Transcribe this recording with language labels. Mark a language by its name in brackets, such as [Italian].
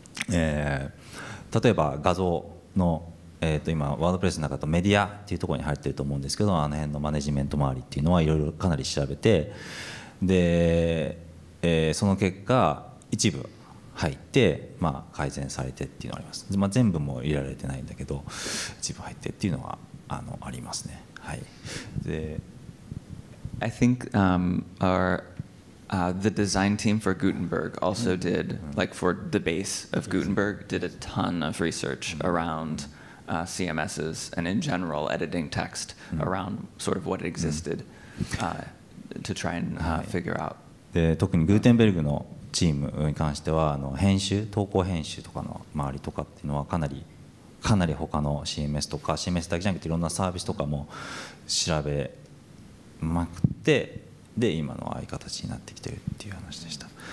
[Japanese] えば画像の今ワードプレスの中とメディアっていうところに入ってると思うんですけど、あの辺のマネジメント周りっていうのはいろいろかなり調べて、で、その結果一部入って、改善されてっていうのがあります。で、全部も入れられてないんだけど一部入ってっていうのはありますね。はい、で [English] I think our the design team for Gutenberg also did like for the base of Gutenberg did a ton of research aroundCMSs and in general editing text around sort of what existed to try and figure out. [Japanese] で、特にグーテンベルグのチームに関しては編集、投稿編集とかの周りとかっていうのはかなり他の CMS とか CMS だけじゃなくていろんなサービスとかも調べまくって、で今のああいう形になってきてるっていう話でした。